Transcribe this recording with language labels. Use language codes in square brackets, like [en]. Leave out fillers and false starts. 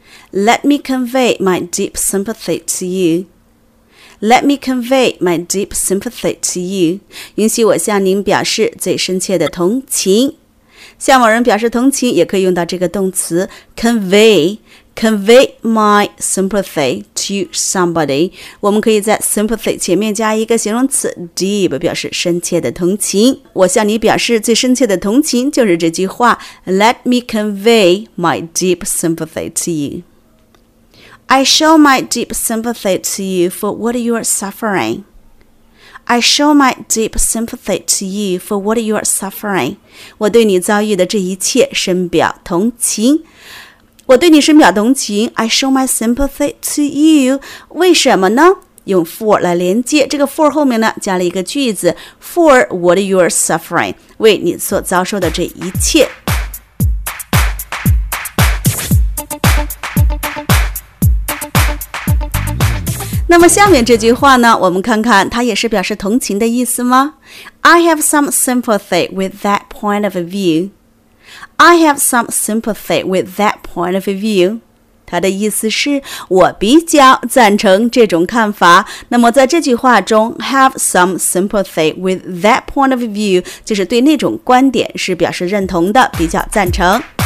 [en] Let me convey my deep sympathy to you. Let me convey my deep sympathy to you. [zh] 允许我向您表示最深切的同情。向某人表示同情，也可以用到这个动词 [en] convey my sympathy to somebody。 [zh] 我们可以在 sympathy 前面加一个形容词 deep， 表示深切的同情。我向你表示最深切的同情，就是这句话 ： [en] Let me convey my deep sympathy to you. I show my deep sympathy to you for what you are suffering. I show my deep sympathy to you for what you are suffering. [zh] 我对你遭遇的这一切深表同情。我对你深表同情。 [en] I show my sympathy to you. [zh] 为什么呢？用 for 来连接。这个 for 后面呢，加了一个句子。 [en] For what you are suffering. [zh] 为你所遭受的这一切。那么下面这句话呢，我们看看它也是表示同情的意思吗？ [en] I have some sympathy with that point of view. I have some sympathy with that point of view. [zh] 它的意思是我比较赞成这种看法。那么在这句话中 [en] have some sympathy with that point of view [zh] 就是对那种观点是表示认同的，比较赞成。